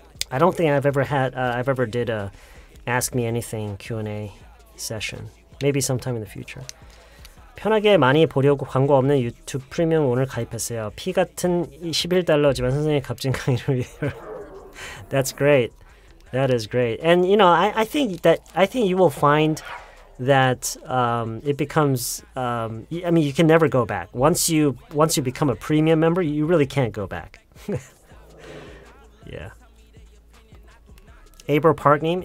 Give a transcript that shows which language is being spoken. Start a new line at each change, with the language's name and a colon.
English: I don't think I've ever had I've ever did a Ask me anything Q&A session. Maybe sometime in the future.
Korean: 편하게 많이 보려고 광고 없는 유튜브 프리미엄 오늘 가입했어요. 피 같은 $11지만 선생님 값진 강의를 위해.
English: That's great. That is great. And you know, I think you will find that it becomes. I mean, you can never go back. Once you become a premium member, you really can't go back. Yeah. April Park name.